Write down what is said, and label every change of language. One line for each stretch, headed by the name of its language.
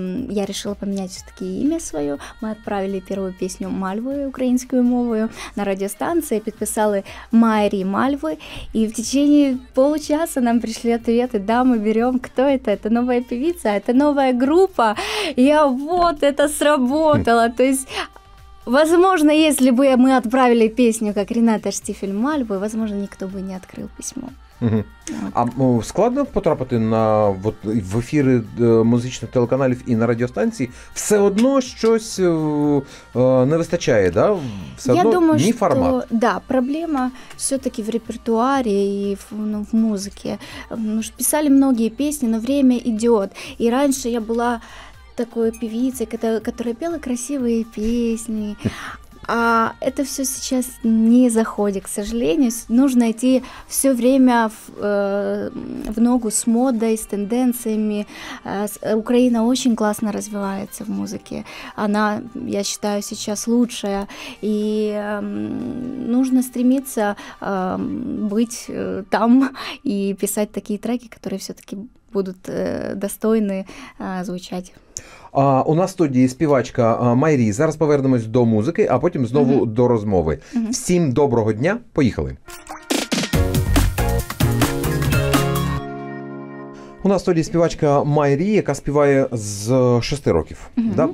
Ukrainian: Я решила поміняти все-таки ім'я своє. Ми відправили першу пісню «Мальвою» українською мовою на радіостанції, підписали «Майрі Мальви», і
Russian: в течение получаса
Ukrainian: нам прийшли відповіді, да, ми беремо, хто це нова певиця, це нова група, я вот, це сработало, тобто...
Russian: Возможно, если бы мы отправили песню, как Рената Штифель «Мальвы», возможно, никто бы не открыл письмо. Угу.
Ukrainian: А складно потрапити на вот, в ефіри музичних телеканалів і на радіостанції? Все одно щось не вистачає, да? Все я одно думаю, ні формат. Що, да, проблема все-таки в репертуарі і в, ну, в музиці.
Russian: Ну, писали многие песни, но время идет. И раньше я была такой певицы, которая пела красивые песни. А это все сейчас не заходит, к сожалению. Нужно идти все время в ногу с модой, с тенденциями. Украина очень классно развивается в музыке. Она, я считаю, сейчас лучшая. И нужно стремиться быть там и писать такие треки, которые все-таки будут достойны звучать.
Ukrainian: У нас в студії співачка Майрі. Зараз повернемось до музики, а потім знову до розмови. Всім доброго дня. Поїхали. У нас в студії співачка Майрі, яка співає з 6 років. Да?